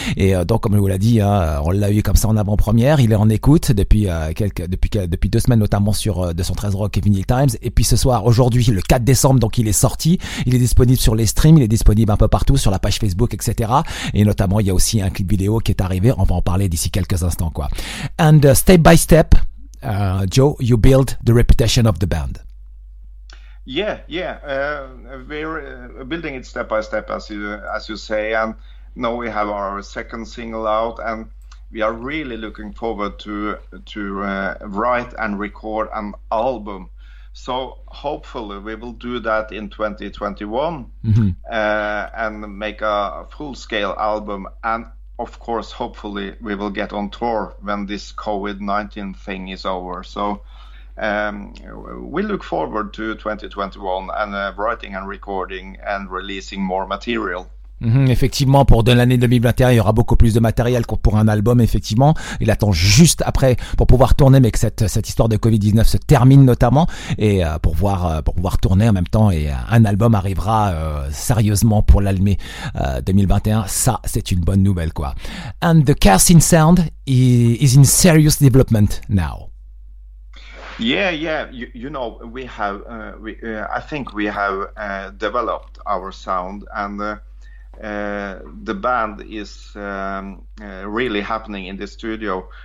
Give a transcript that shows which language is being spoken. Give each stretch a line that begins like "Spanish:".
French: Et donc, comme je vous l'ai dit, on l'a eu comme ça en avant-première. Il est en écoute depuis 2 semaines, notamment sur 213 Rock et Vinyl Times. Et puis ce soir, aujourd'hui, le 4 décembre, donc il est sorti. Il est disponible sur les streams, il est disponible un peu partout, sur la page Facebook, etc. Et notamment, il y a aussi un clip vidéo qui est arrivé. On va en parler d'ici quelques instants, quoi.
English: And step by step, Joe, you build the reputation of the band. Yeah. We're building it step by step, as you say. And now we have our second single out, and we are really looking forward to write and record an album. So hopefully we will do that in 2021. And make a full-scale album, and of course hopefully we will get on tour when this COVID-19 thing is over. So we look forward to 2021 and writing and recording and releasing more material.
French: Effectivement, pour de l'année 2021, il y aura beaucoup plus de matériel que pour un album. Effectivement, il attend juste après pour pouvoir tourner, mais que cette histoire de Covid-19 se termine notamment, et pour pouvoir tourner en même temps, et un album arrivera sérieusement pour l'année 2021. Ça, c'est une bonne nouvelle, quoi.
English: And the Kerstin sound is in serious development now. Yeah, you know, we have, I think we have developed our sound, and the band is really happening in the studio.